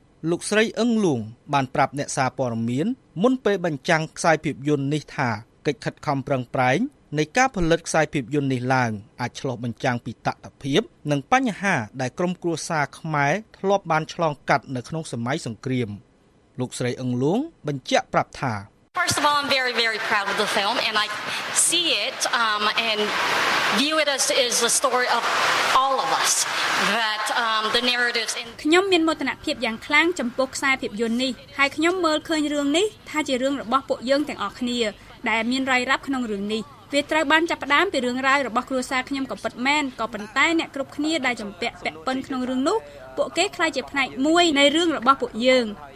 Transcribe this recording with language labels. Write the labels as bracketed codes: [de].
[km] លោកស្រីអឹងលួងបានប្រាប់អ្នកសារព័ត៌មានមុនពេលបញ្ចាំងខ្សែភាពយន្តនេះថាកិច្ចខិតខំប្រឹងប្រែងនៃការផលិតខ្សែភាពយន្តនេះឡើងអាចឆ្លុះបញ្ចាំងពីតថភាពនិងបញ្ហាដែលក្រុមគ្រួសារខ្មែរធ្លាប់បានឆ្លងកាត់នៅក្នុងសម័យសង្គ្រាមលោកស្រីអឹងលួងបញ្ជាក់ប្រាប់ថា [en] First of all, I'm very, very proud of the film, and I see it and view it as the story of all of us. That the narratives in. [km] ខ្ញុំមានមោទនភាពយ៉ាងខ្លាំងចំពោះខ្សែភាពយន្តនេះហើយខ្ញុំមើលឃើញរឿងនេះថាជារឿងរបស់ពួកយើងទាំងអស់គ្នាដែលមានរ៉ៃរ៉ាប់ក្នុងរឿងនេះវាត្រូវបានចាប់ផ្ដើមពីរឿងរ៉ាវរបស់គ្រួសារខ្ញុំក៏ពិតមែនក៏ប៉ុន្តែអ្នកគ្រប់គ្នាដែលចំពាក់ពាក់ពិនក្នុងរឿងនោះពួកគេខ្លាចជាផ្នែកមួយនៃរឿងរបស់ពួកយើង